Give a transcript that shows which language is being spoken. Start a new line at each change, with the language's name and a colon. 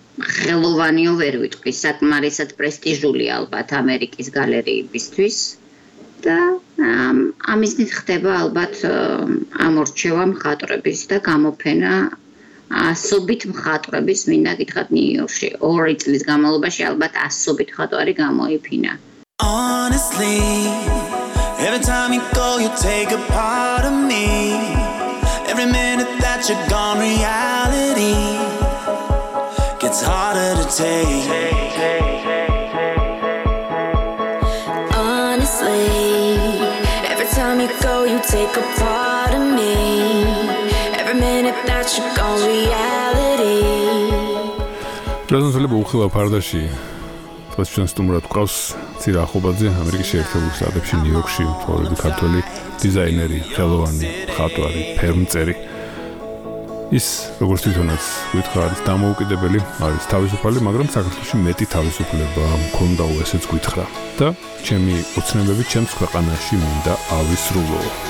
Georgian: ხელოვანიო ვერ ვიტყვი, საკმარისად პრესტიჟული ალბათ ამერიკის გალერეებისთვის და ამისთვის ხდება ალბათ ამორჩევა მხატვრების და გამოფენა ასობით მხატვრების, მინდა გითხრათ ნიუ-იორკში 2 წლის განმავლობაში ალბათ ასობით მხატვარი გამოიფინა.
English: Honestly, every time you go you take a part of me. Every minute that you're gone reality. It's harder to take. Honestly, every time you go, you take a part of me. Every minute that you go, reality. Present level, Ukhila Pardashi.
Georgian: ფოს ჩვენ სტუმრად ყავს ცირა ახობაძე ამერიკის შეერთებულ შტატებში ნიუ-იორკში ცხოვრები ქართველი დიზაინერი, ხელოვანი, მხატვარი, ფერმწერი. ის როგორც თვითონაც გითხრა არის დამოუკიდებელი, არის თავისუფალი, მაგრამ საქართველოში მეტი თავისუფლება მქონდა ესეც გითხრა და ჩემი ოცნებები ჩემს ქვეყანაში მინდა ავისრულო.